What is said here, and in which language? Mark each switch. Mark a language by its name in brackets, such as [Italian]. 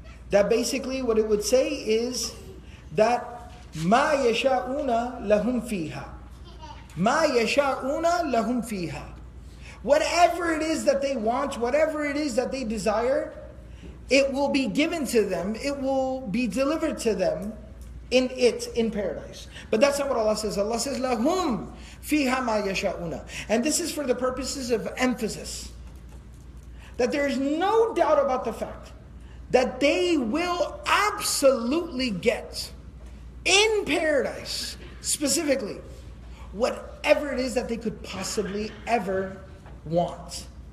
[English] That basically what it would say is that [Arabic] ما يشاءون لهم فيها. ما يشاءون لهم فيها. [English] Whatever it is that they want, whatever it is that they desire, it will be given to them, it will be delivered to them in it, in paradise. But that's not what Allah says. Allah says, [Arabic] لَهُمْ فِيهَا مَا يَشَاءُونَ. [English] And this is for the purposes of emphasis. That there is no doubt about the fact that they will absolutely get, in paradise specifically, whatever it is that they could possibly ever want.